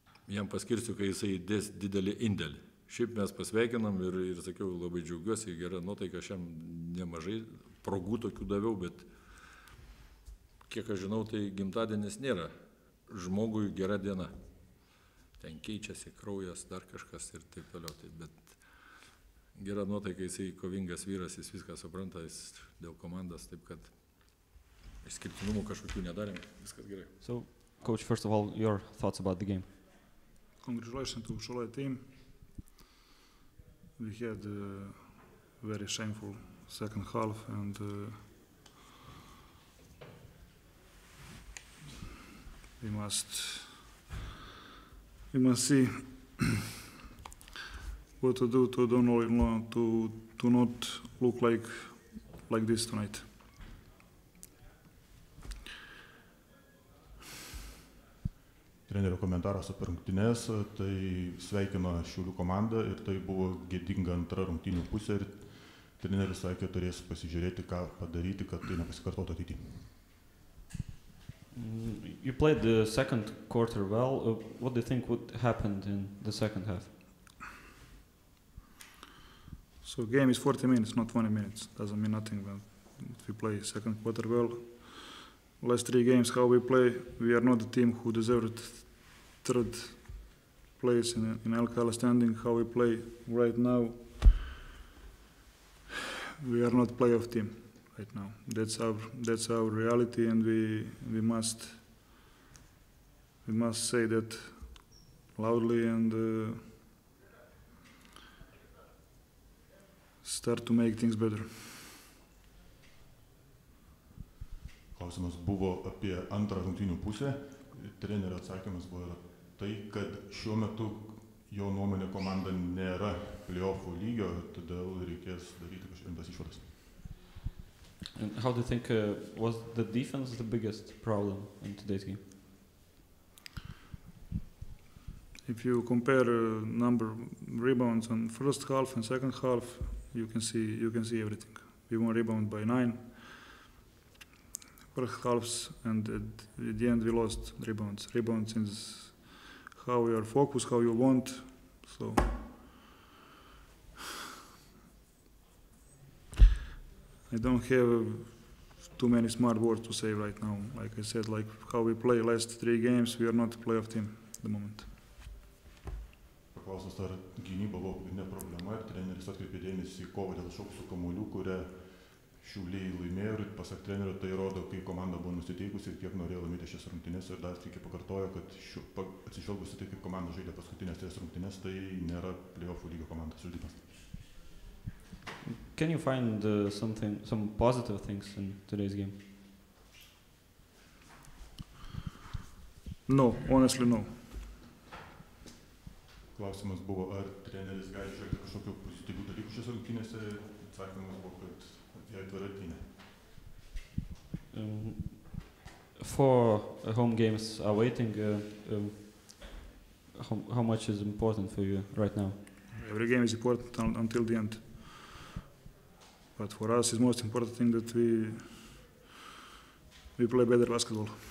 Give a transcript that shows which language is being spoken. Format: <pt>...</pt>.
<lt>Jam paskirsiu, kai jisai dės didelį indėlį. Šiaip mes pasveikinam ir sakiau, labai džiaugiuosi, gera nuotaika, aš jam nemažai progų tokių daviau, bet kiek aš žinau, tai gimtadienis nėra. Žmogui gera diena. Ten keičiasi kraujas, dar kažkas ir taip toliau. Tai, bet gera nuotaika, jisai kovingas vyras, jis viską supranta, jis dėl komandas, taip kad išskirtinumų kažkokių nedarėm, viskas gerai.</lt> <en>So, coach, first of all, your thoughts about the game. Congratulations to Šiauliai team. We had a very shameful second half and we must see what to do to not look like this tonight.</en> <lt>Trenerio komentaras apie rungtynės, tai sveikino Šiaulių komandą ir tai buvo gėdinga antra rungtynių pusė ir treneris sakė, turės pasižiūrėti, ką padaryti, kad tai nepasikartotų ateityje.</lt> <en>You played the second quarter well. What do you think would happen in the second half? So game is 40 minutes, not 20 minutes. Doesn't mean nothing if we play second quarter well. Last three games, how we play, we are not the team who deserved third place in LKL standing. How we play right now, we are not playoff team right now. That's our reality, and we must say that loudly and start to make things better.</en> <lt>Klausimas buvo apie antrą rungtynių pusę. Trenerio atsakymas buvo tai, kad šiuo metu jo nuomonė komanda nėra play-offų lygio, todėl reikės daryti kažkokias išvadas.</lt> <en>And how do you think was the defense the biggest problem in today's game? If you compare number rebounds on first half and second half, you can see everything. We won rebound by 9. First halves, and at the end we lost rebounds. Rebounds is how you are focused, how you want. So I don't have too many smart words to say right now. Like I said, like how we play last three games, we are not a playoff team at the moment.</en> <lt>Paklausos, ar gynyba buvo ne problema, ir treneris atkreipė dėmesį į kovą dėl šokusių kamuolių, kurią Šiauliai laimėjo, ir pasak trenerio tai rodo, kaip komanda buvo nusiteikusi ir kiek norėjo laimėti šias rungtynes, ir dar tik pakartojo, kad atsižvelgusi tai, kaip komanda žaidė paskutinės tris rungtynes, tai nėra play-offų lygio komandos žaidimas.</lt> <en>Can you find some positive things in today's game? No, honestly no.</en> <lt>Klausimas buvo, ar treneris gali žiūrėti kažkokių pozityvių dalykų šiose rungtynėse. Atsakymas buvo, kad jie atvira rungtynė.</lt> <en>For home games are waiting, how much is important for you right now? Every game is important until the end. But for us is most important thing that we play better basketball.</en>